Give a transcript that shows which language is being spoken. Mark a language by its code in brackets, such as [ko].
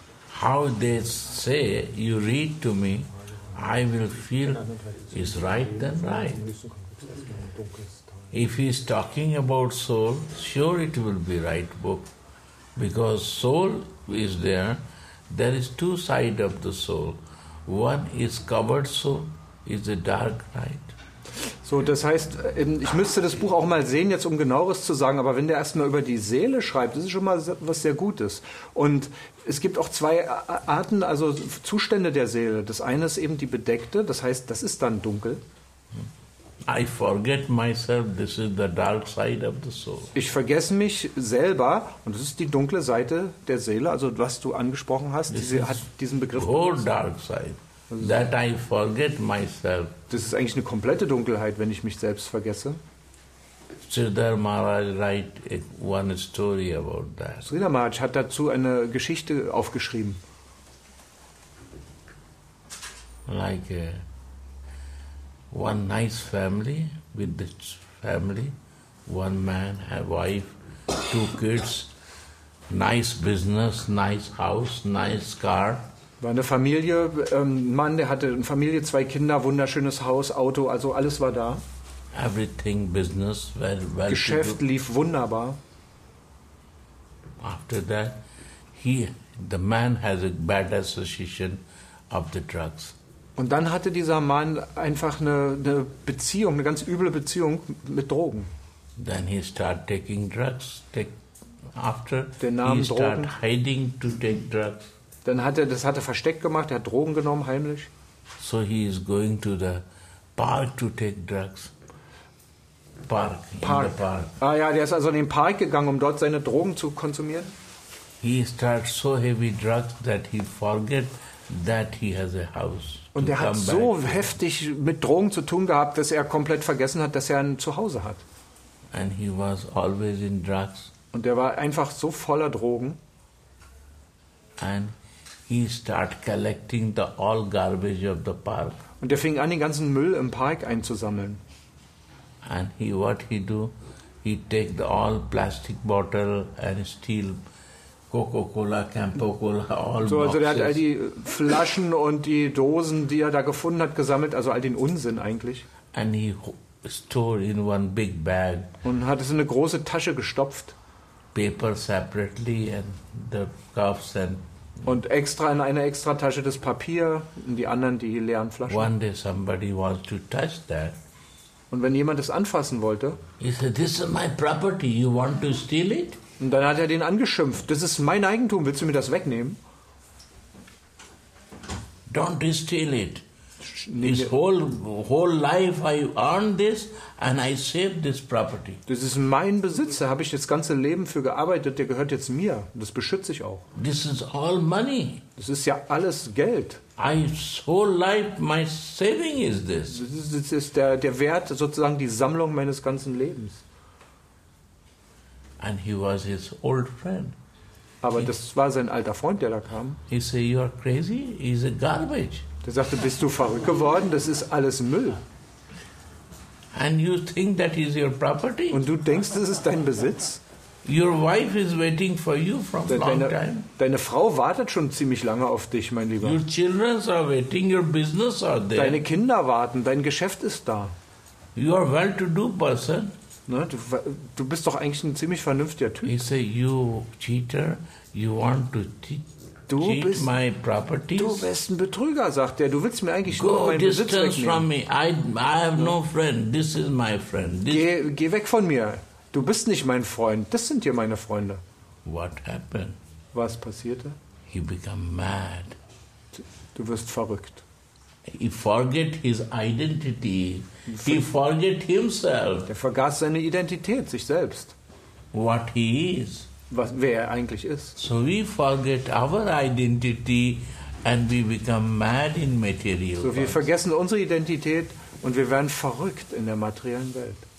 [en] How they say, you read to me, I will feel is right then right. If he is talking about soul, sure it will be right book. Because soul is there, there is two sides of the soul. One is covered soul, is a dark night. [de] So, das heißt, ich müsste das Buch auch mal sehen, jetzt um Genaueres zu sagen, aber wenn der erstmal über die Seele schreibt, das ist schon mal was sehr Gutes. Und es gibt auch zwei Arten, also Zustände der Seele. Das eine ist eben die bedeckte, das heißt, das ist dann dunkel. [en] I forget myself, this is the dark side of the soul. [de] Ich vergesse mich selber, und das ist die dunkle Seite der Seele, also was du angesprochen hast, diese hat diesen Begriff. [en] The whole dark side. That I forget myself. [de] Das ist eigentlich eine komplette Dunkelheit, wenn ich mich selbst vergesse. [en] Sridhar Maharaj write one story about that. [de] Sridhar Maharaj hat dazu eine Geschichte aufgeschrieben. [en] Like one nice family with this family, one man, a wife, two kids, nice business, nice house, nice car. [de] War eine Familie, ein Mann, der hatte eine Familie, zwei Kinder, wunderschönes Haus, Auto, also alles war da. [en] Everything, business, well, well. [de] Geschäft lief wunderbar. [en] After that, the man has a bad association of the drugs. [de] Und dann hatte dieser Mann einfach eine Beziehung, eine ganz üble Beziehung mit Drogen. [en] Then he started taking drugs. After [de] der Name [en] he [de] Drogen. [en] Started hiding to take drugs. [de] Dann hat er versteckt gemacht, er hat Drogen genommen, heimlich. [en] So he is going to the park to take drugs. Park. In the park. [de] Ah ja, der ist also in den Park gegangen, um dort seine Drogen zu konsumieren. [en] He starts so heavy drugs that he forget that he has a house. [de] Und er hat so heftig mit Drogen zu tun gehabt, dass er komplett vergessen hat, dass er ein Zuhause hat. [en] And he was always in drugs. [de] Und er war einfach so voller Drogen. [en] And he start collecting the all garbage of the park. [de] Und er fing an, den ganzen Müll im Park einzusammeln. [en] And he, what he do? He take the all plastic bottle and steal Coca-Cola, Campo-Cola, all [de] so, also boxes. Er hat all die Flaschen und die Dosen, die er da gefunden hat, gesammelt, also all den Unsinn eigentlich. [en] And he store in one big bag. [de] Und hat es in eine große Tasche gestopft. [en] Paper separately and the cuffs and [de] und extra in eine extra Tasche das Papier und die anderen die leeren Flaschen. [en] One day somebody wants to touch that. [de] Und wenn jemand es anfassen wollte, [en] he said, this is my property, you want to steal it? [de] Und dann hat er den angeschimpft. Das ist mein Eigentum, willst du mir das wegnehmen? [en] Don't steal it. This whole life I earned this and I saved this property. [de] Das ist mein Besitz, da habe ich das ganze Leben für gearbeitet, der gehört jetzt mir. Das beschütze ich auch. [en] This is all money. [de] Das ist ja alles Geld. [en] I whole life my saving is this. [de] Das ist der Wert, sozusagen die Sammlung meines ganzen Lebens. [en] And he was his old friend. [de] Aber das war sein alter Freund, der da kam. [en] He said, you are crazy, he's a garbage. [de] Er sagte, bist du verrückt geworden? Das ist alles Müll. [en] And you think that is your property? [de] Und du denkst, das ist dein Besitz? [en] Your wife is waiting for you from long time. [de] Deine Frau wartet schon ziemlich lange auf dich, mein Lieber. [en] Your children are waiting, your business are there. [de] Deine Kinder warten, dein Geschäft ist da. [en] You are well-to-do person. [de] Ne, du bist doch eigentlich ein ziemlich vernünftiger Typ. [en] He said, you cheater, you want to cheat. [de] Du bist, [en] my properties? [de] Du bist ein Betrüger, sagt er. Du willst mir eigentlich [en] go [de] nur meinen Besitz wegnehmen. [en] From me. I have no friend. This is my friend. [de] Geh weg von mir. Du bist nicht mein Freund. Das sind hier meine Freunde. [en] What happened? [de] Was passierte? [en] He became mad. [de] Du wirst verrückt. [en] He forget his identity. He forget himself. [de] Er vergaß seine Identität, sich selbst. [en] What he is. [de] Wer er eigentlich ist. [en] So we forget our identity and we become mad in material. [de] So wir vergessen unsere Identität und wir werden verrückt in der materiellen Welt.